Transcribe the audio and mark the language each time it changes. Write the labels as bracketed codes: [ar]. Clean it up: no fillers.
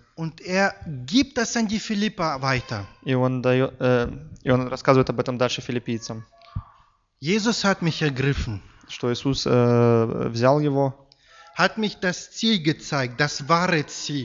[de] Und er gibt das an die Philipper weiter. [ru] И он рассказывает об этом дальше филиппийцам. [de] Jesus hat mich ergriffen. [ru] Что Иисус взял его. [de] Hat mich das Ziel gezeigt, das wahre Ziel.